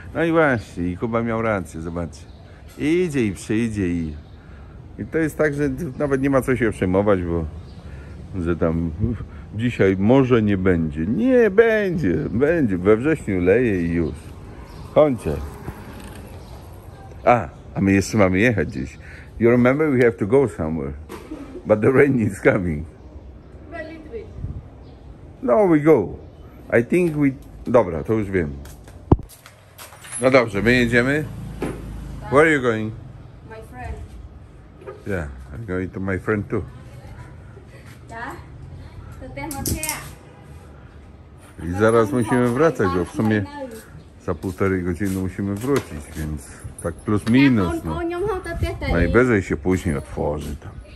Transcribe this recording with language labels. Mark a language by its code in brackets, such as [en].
[pl] No i właśnie, i Kuba miał rację, zobaczcie. Idzie i przyjdzie i... I to jest tak, że nawet nie ma co się przejmować, bo... Że tam dzisiaj może nie będzie. Nie, będzie. We wrześniu leje i już. Kończę. A my jeszcze mamy jechać gdzieś. [en] You remember we have to go somewhere. But the rain is coming. Very quick. No, we go. I think we... [pl] Dobra, to już wiem. No dobrze, my jedziemy. [en] Dad, where are you going? My friend. Yeah, I'm going to my friend too. [pl] Tak? To ten Matea. I zaraz musimy wracać, bo w sumie za półtorej godziny musimy wrócić, więc... Tak plus minus, no. Najwyżej się później otworzy tam.